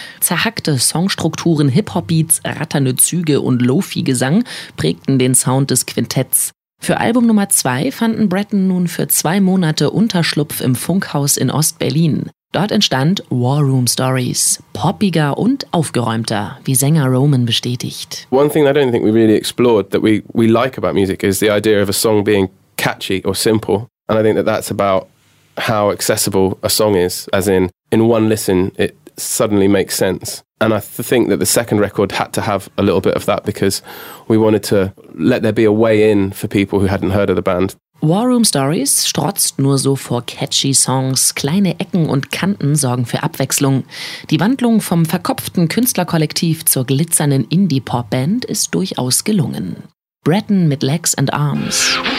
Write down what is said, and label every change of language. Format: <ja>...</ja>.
<de>Zerhackte Songstrukturen, Hip-Hop-Beats, ratternde Züge und Lofi-Gesang prägten den Sound des Quintetts. Für Album Nummer 2 fanden Breton nun für 2 Monate Unterschlupf im Funkhaus in Ost-Berlin. Dort entstand War Room Stories, poppiger und aufgeräumter, wie Sänger Roman bestätigt.</de> <en>One thing I don't think we really explored that we like about music is the idea of a song being catchy or simple. And I think that that's about how accessible a song is, as in one listen it suddenly makes sense. And I think that the second record had to have a little bit of that because we wanted to let there be a way in for people who hadn't heard of the band.</en> <de>War Room Stories strotzt nur so vor catchy Songs. Kleine Ecken und Kanten sorgen für Abwechslung. Die Wandlung vom verkopften Künstlerkollektiv zur glitzernden Indie-Pop-Band ist durchaus gelungen. Breton mit Legs and Arms.</de>